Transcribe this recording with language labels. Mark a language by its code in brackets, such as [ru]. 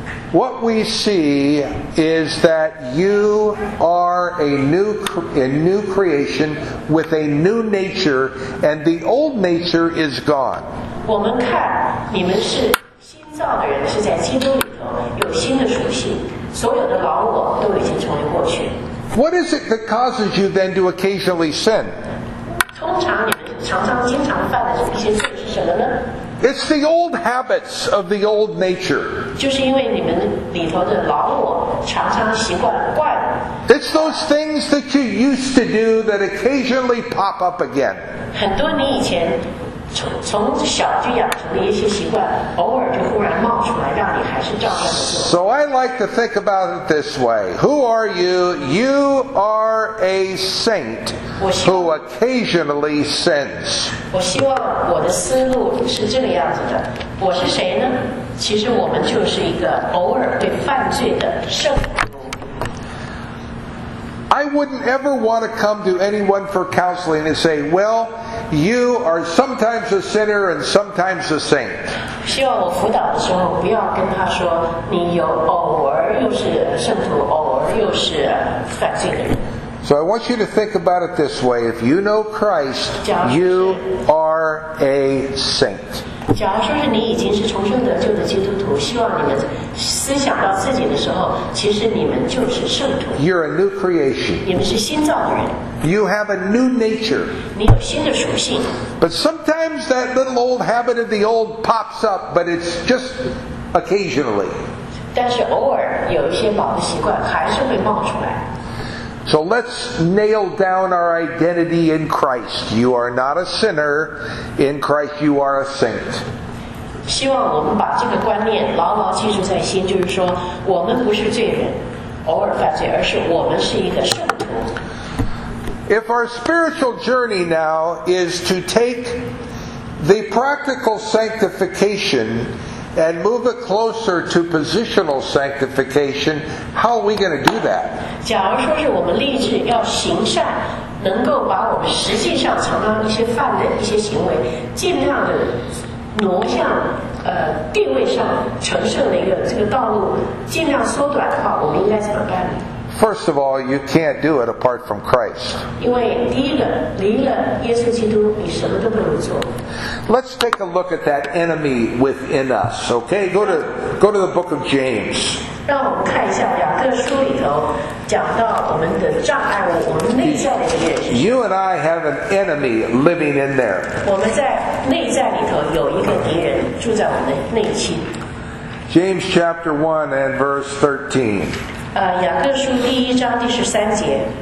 [en] What we see is that you are a new creation with a new nature, and the old nature is gone. [zh] 我们看你们是新造的人，是在基督里头有新的属性。所有的老我都已经成为过去。 [en] What is it that causes you then to occasionally sin? [zh] 通常你们经常犯的一些罪是什么呢？ [en] It's the old habits of the old nature. [zh] 就是因为你们里头的老我常常习惯怪了。 [en] It's those things that you used to do that occasionally pop up again. [zh] 很多你以前从小就养成的一些习惯，偶尔就忽然冒出来，让你还是照样做。 [en] So I like to think about it this way: Who are you? You are a saint who occasionally sins. [zh] 我希望我的思路是这个样子的。我是谁呢？其实我们就是一个偶尔会犯罪的圣徒。 [en] I wouldn't ever want to come to anyone for counseling and say, "Well, you are sometimes a sinner and sometimes a saint." [zh] 希望我辅导的时候不要跟他说你有偶尔又是圣徒，偶尔又是犯罪的人。 [en] So I want you to think about it this way: If you know Christ, you are a saint. [zh] 假如说是你已经是重生得救的基督徒，希望你们思想到自己的时候，其实你们就是圣徒。 [en] You're a new creation. [zh] 你们是新造的人。 [en] You have a new nature. [zh] 你有新的属性。 [en] But sometimes that little old habit of the old pops up, but it's just occasionally. [zh] 但是偶尔有一些老的习惯还是会冒出来。 [en] So let's nail down our identity in Christ. You are not a sinner. In Christ, you are a saint. [zh] 希望我们把这个观念牢牢记住在心，就是说，我们不是罪人，偶尔犯罪，而是我们是一个圣徒。 [en] If our spiritual journey now is to take the practical sanctification and move it closer to positional sanctification, how are we going to do that? [zh] 假如说是我们立志要行善，能够把我们实际上常常一些犯的一些行为尽量的挪向定位上成圣的一个这个道路尽量缩短的话，我们应该怎么办呢？ [en] First of all, you can't do it apart from Christ. [zh] 因为第一个，离了耶稣基督，你什么都不能做。 [en] Let's take a look at that enemy within us, okay? Go to the book of James. [zh] 让我们看一下雅各书里头讲到我们的障碍物，我们内在的一个人。 [en] You and I have an enemy living in there. [zh] 我们在内在里头有一个敌人住在我们的内心。 [en] James chapter 1 and verse 13. [zh] 雅各书第一章第十三节。